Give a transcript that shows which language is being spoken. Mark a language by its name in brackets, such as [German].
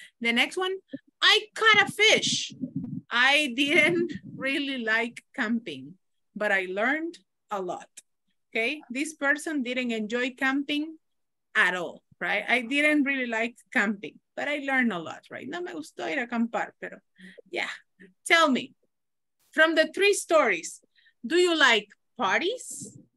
[English] The next one, I caught a fish. I didn't really like camping, but I learned a lot. Okay? This person didn't enjoy camping at all, right? I didn't really like camping, but I learned a lot, right? [Spanish] No me gustó ir a acampar, pero [English] yeah. Tell me, from the three stories, do you like parties?